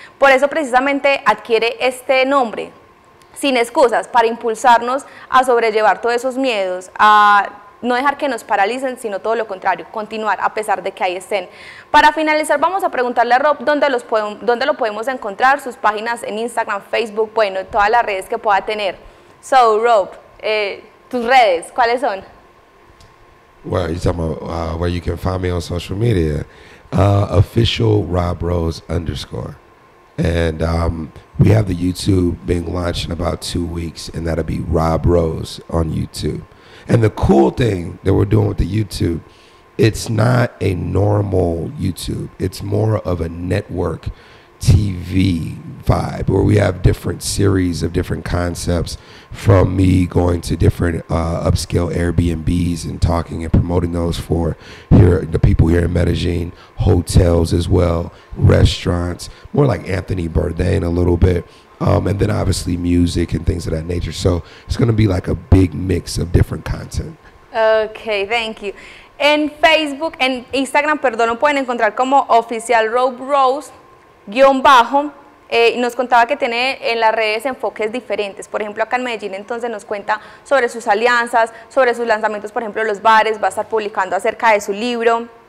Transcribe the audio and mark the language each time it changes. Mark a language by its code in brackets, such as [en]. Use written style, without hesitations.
[es] Por eso precisamente adquiere este nombre, Sin Excusas, para impulsarnos a sobrellevar todos esos miedos, a no dejar que nos paralicen, sino todo lo contrario, continuar a pesar de que ahí estén. Para finalizar, vamos a preguntarle a Rob dónde lo podemos encontrar, sus páginas en Instagram, Facebook, bueno, todas las redes que pueda tener. [en] So, [es] Rob, tus redes, ¿cuáles son? [en] Well, you're talking about where you can find me on social media. Official Rob Rose _. And we have the YouTube being launched in about 2 weeks, and that'll be Rob Rose on YouTube. And the cool thing that we're doing with the YouTube, it's not a normal YouTube. It's more of a network TV vibe where we have different series of different concepts, from me going to different upscale Airbnbs and talking and promoting those for here the people here in Medellin, hotels as well, restaurants, more like Anthony Bourdain a little bit, and then obviously music and things of that nature. So it's going to be like a big mix of different content. Okay, thank you. [es] En Facebook, en Instagram, perdón, lo pueden encontrar como Oficial Rob Rose _. Nos contaba que tiene en las redes enfoques diferentes. Por ejemplo, acá en Medellín, entonces nos cuenta sobre sus alianzas, sobre sus lanzamientos, por ejemplo, los bares, va a estar publicando acerca de su libro.